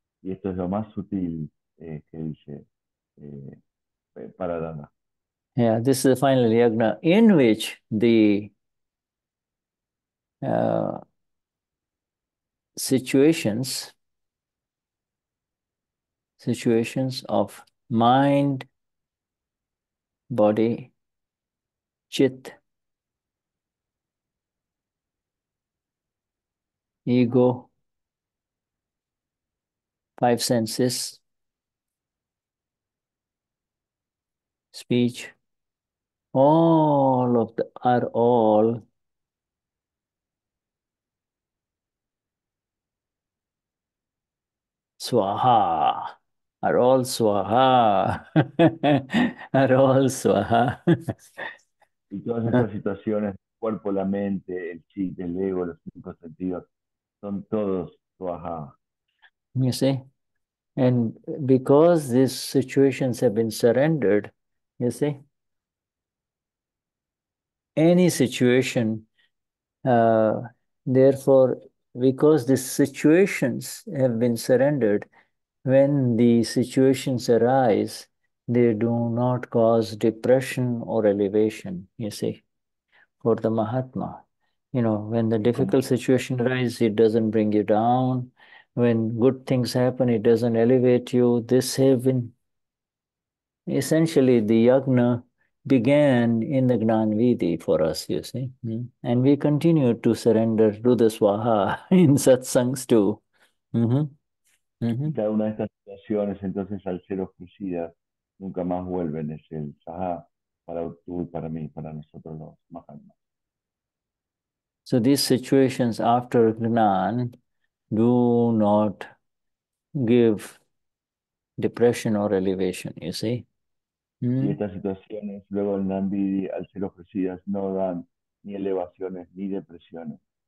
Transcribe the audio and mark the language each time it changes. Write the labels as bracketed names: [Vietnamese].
[Spanish] Y esto es lo más sutil que dice para Dana. [English] Yeah, this is the final Yagna in which the situations of mind, body, chit, ego, five senses, speech, all of the are all swaha, are all swaha, are all swaha. [Spanish] Y todas estas situaciones, cuerpo, la mente, el chi, el ego, los cinco sentidos, son todos swaha. [English] You see? And because these situations have been surrendered, you see? Any situation, therefore, because these situations have been surrendered, when the situations arise, they do not cause depression or elevation, you see, for the Mahatma. You know, when the difficult situation arises, it doesn't bring you down. When good things happen, it doesn't elevate you. This has been, essentially, the yagna began in the Gnan Vidhi for us, you see. Mm. And we continue to surrender to the Swaha in satsangs too. [Spanish] Cada una de estas situaciones, entonces, al ser ofrecidas, nunca más vuelven. Es el Swaha para tú y para mí, para nosotros los Mahatmas. [English] So these situations after Gnan do not give depression or elevation, you see. [Spanish] Y estas situaciones, luego el Nambidi, al ser ofrecidas, no dan ni elevaciones ni depresiones.